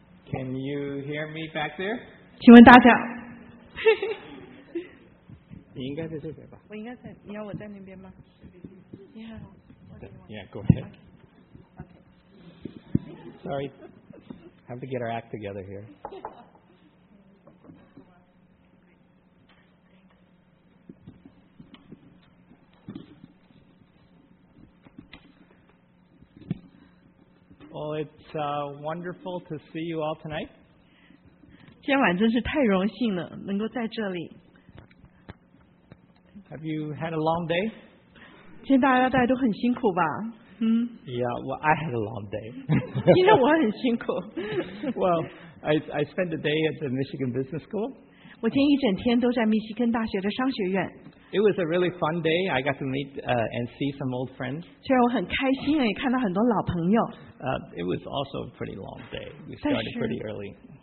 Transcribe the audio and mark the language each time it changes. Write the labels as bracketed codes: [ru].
[en] Can you hear me back there? [zh] 请问大家你应该在这边吧？我应该在，你要我在那边吗？你好。 [en] Yeah, go ahead. Okay. Sorry, have to get our act together here. Well, it's wonderful to see you all tonight. [zh] 今晚真是太荣幸了，能够在这里。 [en] Have you had a long day? [zh] 今天大家都很辛苦吧? [en] Yeah, well, I had a long day. [zh] 今天我很辛苦。 [en] Well, I spent a day at the Michigan Business School. [zh] 我今天一整天都在密西根大学的商学院。 [en] It was a really fun day. I got to meet and see some old friends. [zh] 虽然我很开心，也看到很多老朋友。 [en] It was also a pretty long day. We started pretty early.